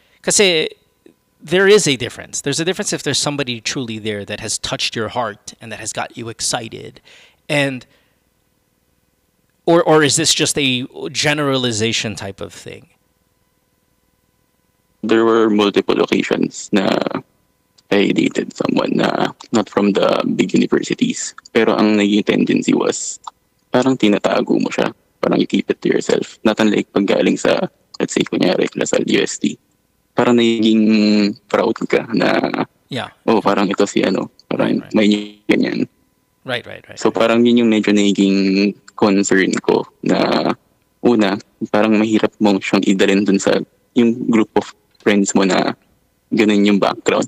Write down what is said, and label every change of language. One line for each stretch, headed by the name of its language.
English: Because there is a difference. There's a difference if there's somebody truly there that has touched your heart and that has got you excited, and or is this just a generalization type of thing? There were multiple occasions na I dated someone na not from the big universities.
Filipino: Pero ang naging
English: tendency was,
Filipino: parang tinatago mo siya. Parang
English: you keep it to yourself. Not unlike
Filipino: pag galing sa,
English: let's say,
Filipino: kunyari, LaSalle USD. Parang naging proud ka na,
English: yeah.
Filipino: Oh, parang ito si ano, parang
English: right.
Filipino: May niyo ganyan.
English: Right.
Filipino: So parang yun yung medyo naging concern ko na, una, parang mahirap mo siyang idalin dun sa yung
English: group of friends
Filipino: mo na ganun yung background.